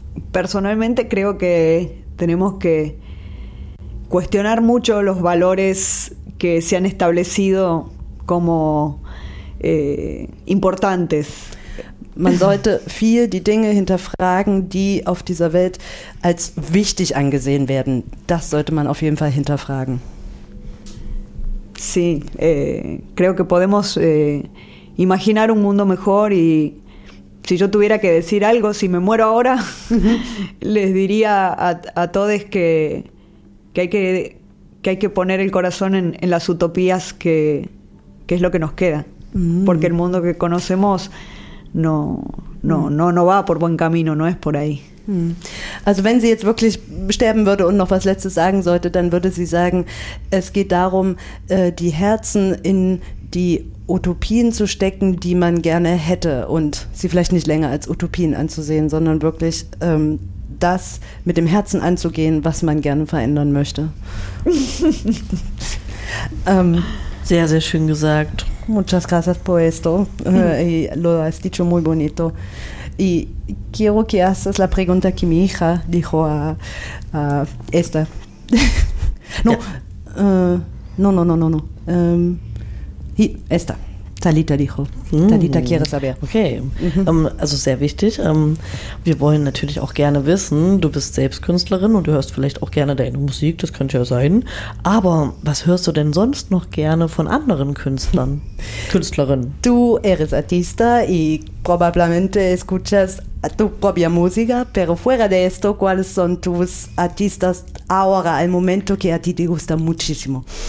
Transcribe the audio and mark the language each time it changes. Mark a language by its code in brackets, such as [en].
[es] Personalmente creo que tenemos que cuestionar mucho los valores que se han establecido como importantes. [de] Man sollte viel die Dinge hinterfragen, die auf dieser Welt als wichtig angesehen werden. Das sollte man auf jeden Fall hinterfragen. [es] Sí, creo que podemos imaginar un mundo mejor y si yo tuviera que decir algo, si me muero ahora, les diría a todos que hay que poner el corazón en las utopías que es lo que nos queda. Porque el mundo que conocemos no va por buen camino, no es por ahí. [de] Also wenn sie jetzt wirklich sterben würde und noch was Letztes sagen sollte, dann würde sie sagen, es geht darum, die Herzen in die Utopien zu stecken, die man gerne hätte und sie vielleicht nicht länger als Utopien anzusehen, sondern wirklich das mit dem Herzen anzugehen, was man gerne verändern möchte. Sehr, sehr schön gesagt. [es] Muchas gracias por esto. Lo has dicho muy bonito. Y quiero que haces la pregunta que mi hija dijo a esta. No, no, no, no, no, no. Esta. Talita dijo. Talita quiere saber. [de] Okay. Also sehr wichtig. Wir wollen natürlich auch gerne wissen, du bist selbst Künstlerin und du hörst vielleicht auch gerne deine Musik, das könnte ja sein. Aber was hörst du denn sonst noch gerne von anderen Künstlern? Künstlerinnen? [es] Du eres artista y probablemente escuchas tu propia música, pero fuera de esto, ¿cuáles son tus artistas ahora, al momento que a ti te gusta muchísimo?